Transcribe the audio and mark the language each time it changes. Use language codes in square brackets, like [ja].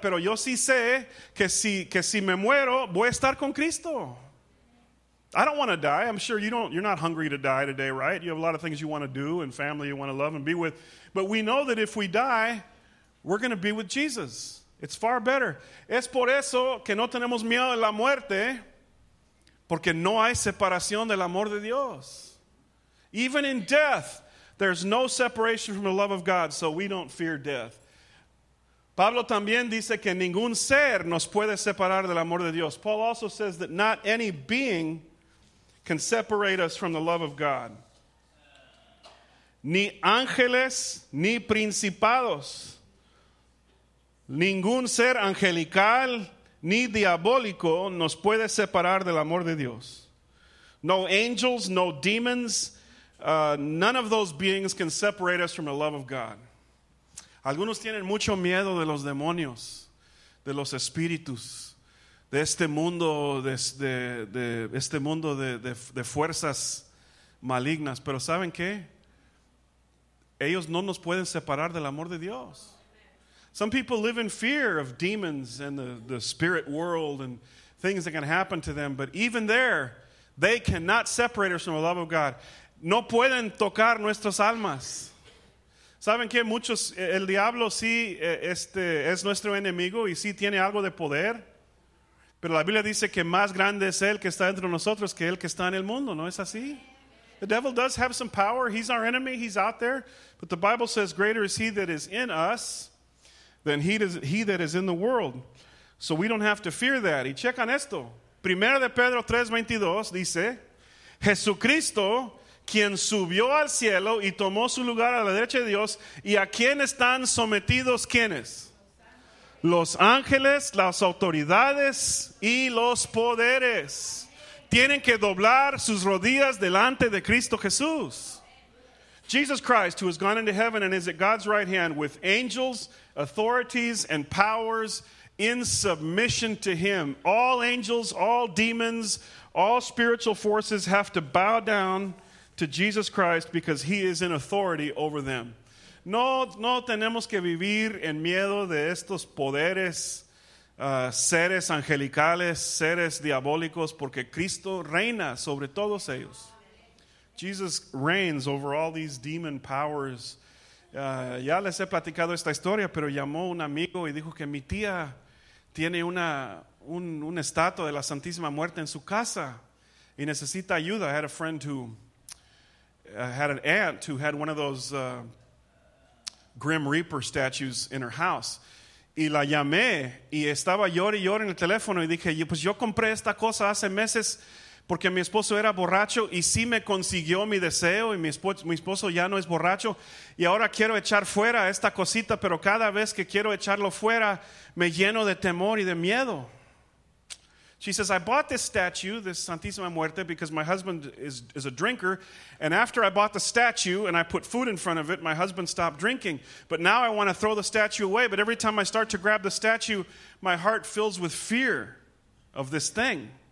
[es] Pero yo sí sé que si me muero, voy a estar con Cristo. [en] I don't want to die. I'm sure you're not hungry to die today, right? You have a lot of things you want to do and family you want to love and be with. But we know that if we die, we're going to be with Jesus. It's far better. [es] Es por eso que no tenemos miedo de la muerte. Porque no hay separación del amor de Dios. [en] Even in death, there's no separation from the love of God, so we don't fear death. [es] Pablo también dice que ningún ser nos puede separar del amor de Dios. [en] Paul also says that not any being can separate us from the love of God. [es] Ni ángeles, ni principados. Ningún ser angelical ni diabólico nos puede separar del amor de Dios. No angels, no demons, none of those beings can separate us from the love of God. Algunos tienen mucho miedo de los demonios, de los espíritus, de este mundo, de este mundo de fuerzas malignas. Pero ¿saben qué? Ellos no nos pueden separar del amor de Dios. [en] Some people live in fear of demons and the spirit world and things that can happen to them. But even there, they cannot separate us from the love of God. [es] No pueden tocar nuestras almas. ¿Saben qué? Muchos, el diablo sí es nuestro enemigo y sí tiene algo de poder. Pero la Biblia dice que más grande es el que está entre nosotros que el que está en el mundo. ¿No es así? [en] The devil does have some power. He's our enemy. He's out there. But the Bible says greater is he that is in us than he that is in the world. So we don't have to fear that. [es] Y checan esto. Primera de Pedro 3:22 dice, Jesucristo, quien subió al cielo y tomó su lugar a la derecha de Dios, y a quien están sometidos, ¿quiénes? Los ángeles, las autoridades y los poderes. Tienen que doblar sus rodillas delante de Cristo Jesús. [en] Jesus Christ, who has gone into heaven and is at God's right hand with angels, authorities, and powers in submission to him. All angels, all demons, all spiritual forces have to bow down to Jesus Christ because he is in authority over them. [es] No tenemos que vivir en miedo de estos poderes, seres angelicales, seres diabólicos, porque Cristo reina sobre todos ellos. [en] Jesus reigns over all these demon powers. [es] Ya les he platicado esta historia, pero llamó un amigo y dijo que mi tía tiene una estatua de la Santísima Muerte en su casa y necesita ayuda. [en] I had a friend who had an aunt who had one of those Grim Reaper statues in her house. [es] Y la llamé y estaba llore y llore en el teléfono y dije, pues yo compré esta cosa hace meses, Porque mi esposo era borracho y sí me consiguió mi deseo y mi esposo ya no es borracho y ahora quiero echar fuera esta cosita, pero cada vez que quiero echarlo fuera me lleno de temor y de miedo. [en] She says, I bought this statue, this Santísima Muerte, because my husband is a drinker, and after I bought the statue and I put food in front of it, my husband stopped drinking. But now I want to throw the statue away, but every time I start to grab the statue, my heart fills with fear of this thing.